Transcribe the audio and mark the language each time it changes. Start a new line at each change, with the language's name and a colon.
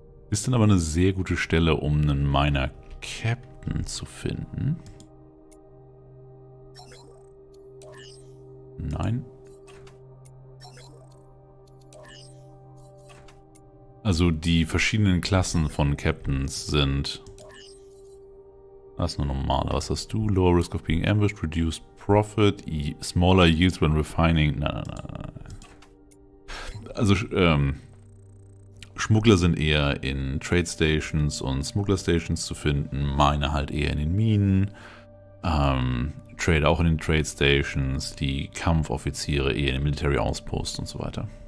German: Ist dann aber eine sehr gute Stelle, um einen Miner Captain zu finden. Nein. Also die verschiedenen Klassen von Captains sind. Das ist nur normal. Was hast du?
English: Lower risk of being ambushed, reduced profit, smaller yields when refining.
German: Nein, nein, nein, nein. Also Schmuggler sind eher in Trade Stations und Smuggler Stations zu finden. Meine halt eher in den Minen. Trade auch in den Trade Stations, die Kampfoffiziere eher in den Military Outposts und so weiter.